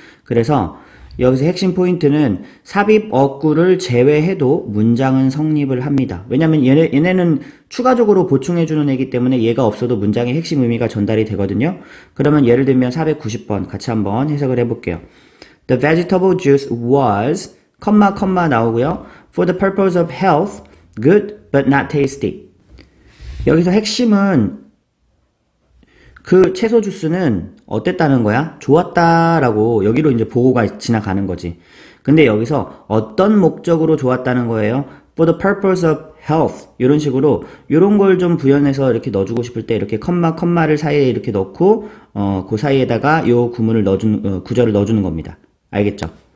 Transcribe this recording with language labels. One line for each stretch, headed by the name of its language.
Korean: 그래서 여기서 핵심 포인트는 삽입 어구를 제외해도 문장은 성립을 합니다. 왜냐면 얘네는 추가적으로 보충해주는 애기 때문에 얘가 없어도 문장의 핵심 의미가 전달이 되거든요. 그러면 예를 들면 490번 같이 한번 해석을 해볼게요.
English: The vegetable juice was,
Korean: 컴마 컴마 나오고요.
English: For the purpose of health, good but not tasty.
Korean: 여기서 핵심은 그 채소 주스는 어땠다는 거야? 좋았다라고 여기로 이제 보고가 지나가는 거지. 근데 여기서 어떤 목적으로 좋았다는 거예요?
English: For the purpose of health.
Korean: 이런 식으로 이런 걸좀 부연해서 이렇게 넣어주고 싶을 때 이렇게 컴마 컴마를 사이에 이렇게 넣고 그 사이에다가 요 구문을 넣어준 구절을 넣어주는 겁니다. 알겠죠?